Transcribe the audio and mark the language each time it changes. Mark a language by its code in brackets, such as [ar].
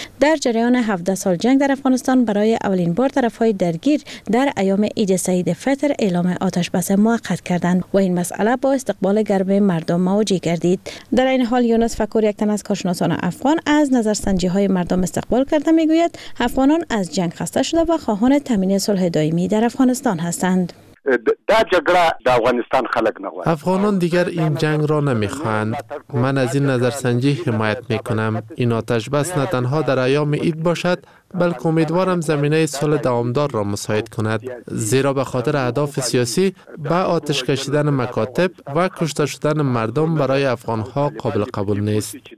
[fa] در جریان 17 سال جنگ در افغانستان برای اولین بار طرفهای درگیر در ایام عید سعید فطر اعلام آتش بس موقت کردند و این مسئله با استقبال گرم مردم موجی گردید. در این حال یونس فکور یک تن از کارشناسان افغان از نظرسنجی های مردم استقبال کرده میگوید افغانان از جنگ خسته شده و خواهان تامین صلح دائمی در افغانستان هستند. [ps] دا جګړه د افغانستان خلک نه غواړي. [fa] افغانان دیگر این جنگ را نمیخواهند. من از این نظرسنجی حمایت میکنم. این آتش بس نه تنها در ایام عید باشد، بلکه امیدوارم زمینه صلح دوامدار را مساعد کند، زیرا به خاطر اهداف سیاسی به آتش کشیدن مکاتب و کشته شدن مردم برای افغانها قابل قبول نیست.